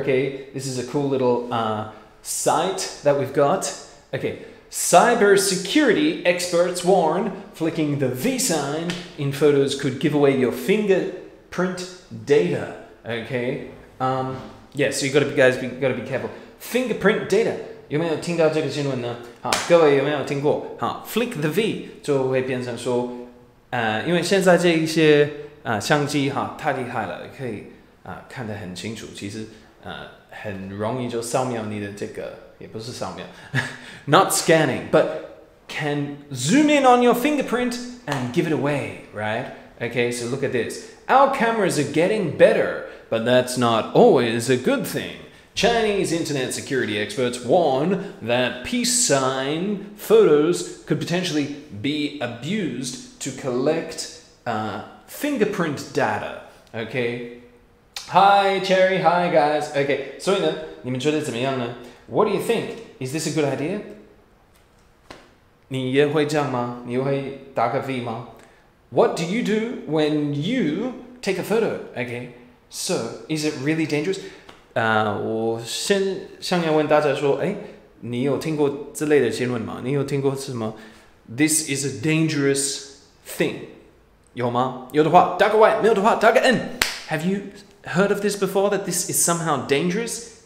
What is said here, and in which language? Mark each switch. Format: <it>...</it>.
<en>OK, this is a cool little site that we've got. OK. Cybersecurity experts warn flicking the V sign in photos could give away your fingerprint data. Okay. Yeah, so you gotta be careful. Fingerprint data.</en> <zh>有没有听到这个新闻呢？好，各位有没有听过？好 ，</zh> <en>flick the V</en> <zh>就会变成说，因为现在这一些相机哈太厉害了，可以看得很清楚，其实很容易就扫描你的这个。也不是扫描，</zh> <en>not scanning, but can zoom in on your fingerprint and give it away, right? Okay, so look at this. Our cameras are getting better, but that's not always a good thing. Chinese internet security experts warn that peace sign photos could potentially be abused to collect fingerprint data, okay? Hi, Cherry, hi, guys. Okay,</en> <zh>所以呢，你们觉得怎么样呢？</zh> <en>What do you think? Is this a good idea?</en> <zh>你也会这样吗？你会打个 V 吗？</zh> <en>What do you do when you take a photo? Okay, so is it really dangerous?</en> <zh>我先想要问大家说，你有听过这类的新闻吗？你有听过什么？</zh> <en>This is a dangerous thing.</en> <zh>有吗？有的话打个 Y， 没有的话打个 N.</zh> <en>Have you heard of this before, that this is somehow dangerous?</en>